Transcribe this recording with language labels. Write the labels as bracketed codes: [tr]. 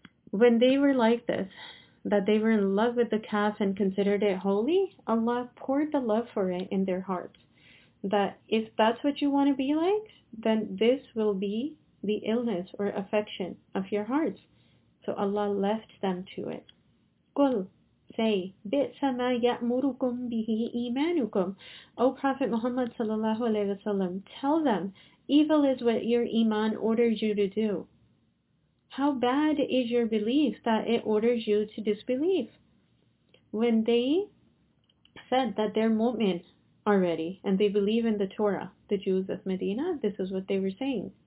[en] When they were like this, that they were in love with the calf and considered it holy, Allah poured the love for it in their hearts. That if that's what you want to be like, then this will be the illness or affection of your hearts. So Allah left them to it. [ar] Qul, say, بِئْسَ مَا يَأْمُرُكُمْ بِهِ إِيمَانُكُمْ. [en] O Prophet Muhammad sallallahu alayhi wa sallam, tell them, evil is what your iman orders you to do. How bad is your belief that it orders you to disbelieve? When they said that they're mu'min already, and they believe in the Torah, the Jews of Medina, this is what they were saying.